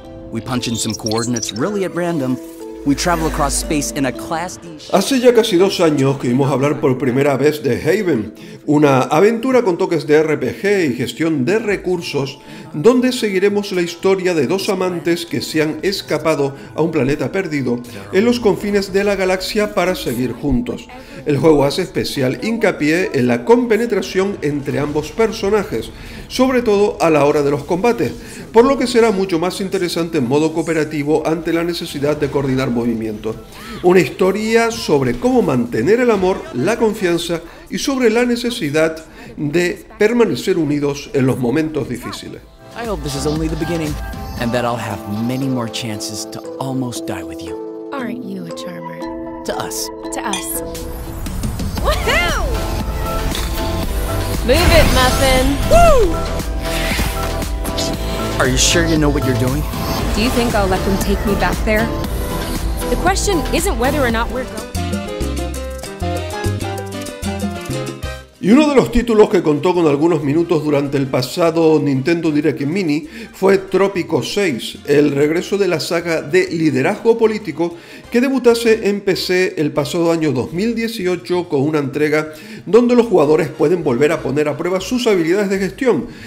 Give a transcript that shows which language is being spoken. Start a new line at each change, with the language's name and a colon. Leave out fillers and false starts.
English: We punch in some coordinates really at random. We travel across space in a class D.
Spanish: Hace ya casi dos años que vimos hablar por primera vez de Haven, una aventura con toques de RPG y gestión de recursos, donde seguiremos la historia de dos amantes que se han escapado a un planeta perdido en los confines de la galaxia para seguir juntos. El juego hace especial hincapié en la compenetración entre ambos personajes, sobre todo a la hora de los combates, por lo que será mucho más interesante en modo cooperativo ante la necesidad de coordinar movimientos. Una historia sobre cómo mantener el amor, la confianza y sobre la necesidad de permanecer unidos en los momentos difíciles.
English: I hope this is only the beginning and that I'll have many more chances to almost die with you. Aren't you a charmer? To us. To us. Woohoo! Move it, Muffin. Woo! Are you sure you know what you're doing? Do you think I'll let them take me back there? The question isn't whether or not we're going.
Spanish: Y uno de los títulos que contó con algunos minutos durante el pasado Nintendo Direct Mini fue Tropico 6, el regreso de la saga de liderazgo político que debutase en PC el pasado año 2018 con una entrega donde los jugadores pueden volver a poner a prueba sus habilidades de gestión,